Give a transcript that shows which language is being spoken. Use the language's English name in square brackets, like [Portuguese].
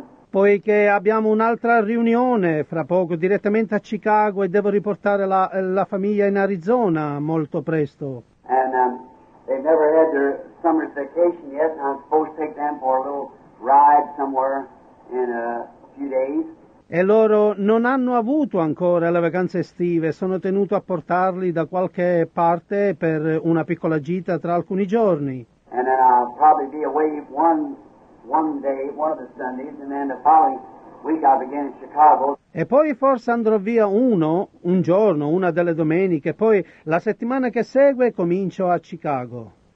[Italian] Poiché abbiamo un'altra riunione fra poco direttamente a Chicago e devo riportare la famiglia in Arizona molto presto. [English] They've never had their summer vacation yet, and I'm supposed to take them for a little ride somewhere in a few days. [Italian] E loro non hanno avuto ancora le vacanze estive. Sono tenuto a portarli da qualche parte per una piccola gita tra alcuni giorni. [English] And then I'll probably be away one day, one of the Sundays, and then the following week I'll begin in Chicago. [Italian] E poi forse andrò via un giorno, una delle domeniche, poi la settimana che segue comincio a Chicago.